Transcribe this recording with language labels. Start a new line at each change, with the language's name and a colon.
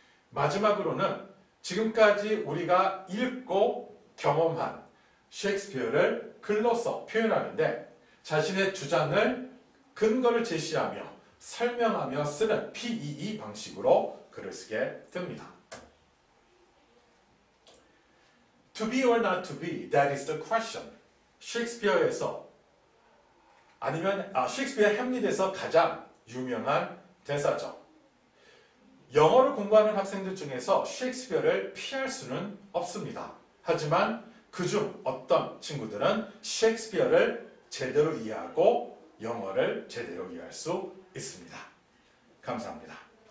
Korean: 마지막으로는 지금까지 우리가 읽고 경험한 셰익스피어를 글로써 표현하는데 자신의 주장을 근거를 제시하며 설명하며 쓰는 PEE 방식으로 글을 쓰게 됩니다.
English: To be or not to be, that is the question.
Korean: 셰익스피어에서 아니면 셰익스피어 햄릿에서 가장 유명한 대사죠. 영어를 공부하는 학생들 중에서 셰익스피어를 피할 수는 없습니다. 하지만 그중 어떤 친구들은 셰익스피어를 제대로 이해하고 영어를 제대로 이해할 수 있습니다. 감사합니다.